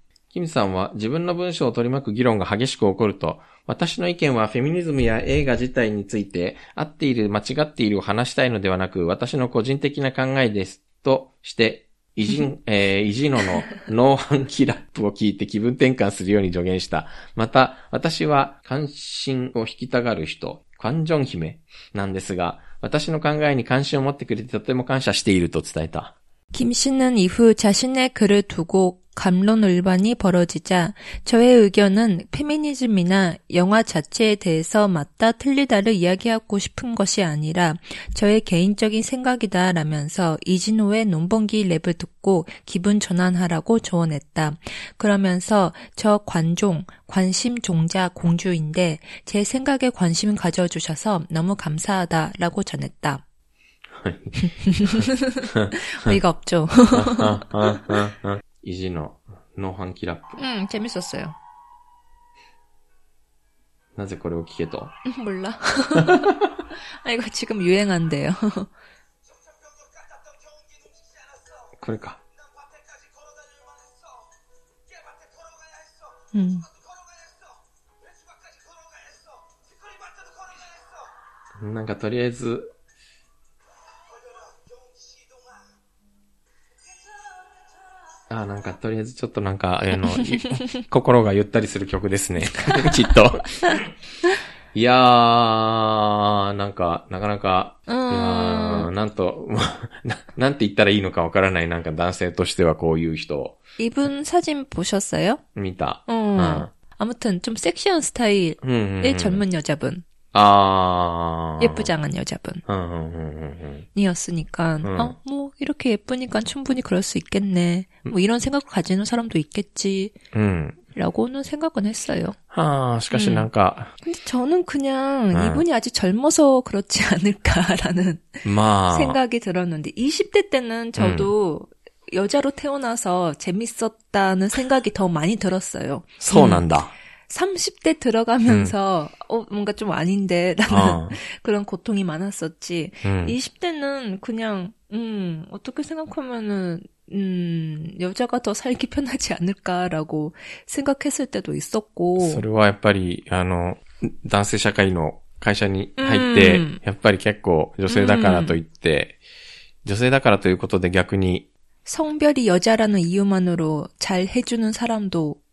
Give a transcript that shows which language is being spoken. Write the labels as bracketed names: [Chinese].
[Japanese] キムさんは自分の文章を取り巻く議論が激しく起こると、私の意見はフェミニズムや映画自体について合っている間違っているを話したいのではなく、私の個人的な考えですとして、イジノのノーハンキラップを聞いて気分転換するように助言した。また、私は関心を引きたがる人、クァンジョン姫なんですが、私の考えに関心を持ってくれてとても感謝していると伝えた。 [Korean] キム씨는 이후 자신의 글을 두고 감론을반이 벌어지자 저의 의견은 페미니즘이나 영화 자체에 대해서 맞다 틀리다를 이야기하고 싶은 것이 아니라 저의 개인적인 생각이다라면서 이진호의 논번기 랩을 듣고 기분 전환하라고 조언했다. 그러면서 저 관종, 관심 종자 공주인데 제 생각에 관심 가져주셔서 너무 감사하다라고 전했다. 어이가없죠 이지노노한키라프 응재밌었어요 [Japanese] 나ぜこれを聞けと [Korean] 몰라 아이거지금유행한대요 그럴까응뭔가 [Japanese] とりあえず아なんかとりあえずちょっとなんか心がゆったりする曲ですねきっといやーなんかなかなかなんとなんて言ったらいいのかわからないなんか男性としてはこういう人 [Korean] 이분사진보셨어요 [Japanese] 見た [Korean] 아무튼좀섹시한스타일의젊은여자분 아 예쁘장한여자분이었으니까아뭐이렇게예쁘니까충분히그럴수있겠네뭐이런생각을가지는사람도있겠지라고는생각은했어요 아 [Japanese] しかし [Korean] 뭔가 근데저는그냥이분이아직젊어서그렇지않을까라는생각이들었는데20대때는저도여자로태어나서재밌었다는생각이더많이들었어요 [Japanese] そうなんだ [Korean] 30대들어가면서뭔가좀아닌데라는그런고통이많았었지20대는그냥어떻게생각하면은여자가더살기편하지않을까라고생각했을때도있었고 [Japanese] それはやっぱり男性社会の会社に入ってやっぱり結構女性だからといって女性だからということで逆に [Korean] 성별이여자라는이유만으로잘해주는사람도